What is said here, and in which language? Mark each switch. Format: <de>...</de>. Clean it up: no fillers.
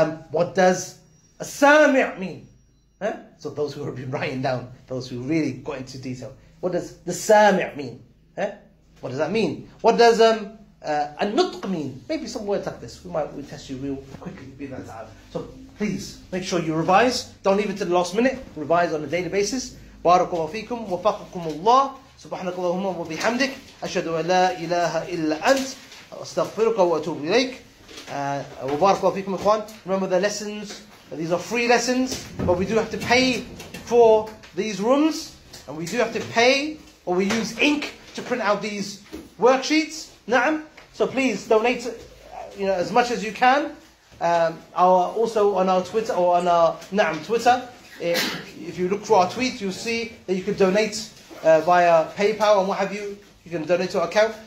<en>What does a sami' mean? Huh? So those who have been writing down, those who really got into detail. What does the sami' mean? Huh? What does that mean? What does a nutq mean? Maybe some words like this. We'll test you real quickly. So please, make sure you revise. Don't leave it to the last minute. Revise on a daily basis. Barakallahu feekum. Wafakakum Allah.</en> <ar>سبحانك اللهم وبحمدك أشهد أن لا إله إلا أنت أستغفرك وأتوب إليك وبارك الله فيكم إخوان.</ar> <en>Remember the lessons, these are free lessons, but we do have to pay for these rooms, and we do have to pay, or we use ink to print out these worksheets.</en> <ar>نعم.</ar> <en>So please donate, you know, as much as you can. Also on our Twitter, or on our نعم Twitter, if you look for our tweet, you'll see that you can donate via PayPal and what have you. You can donate to our account.</en>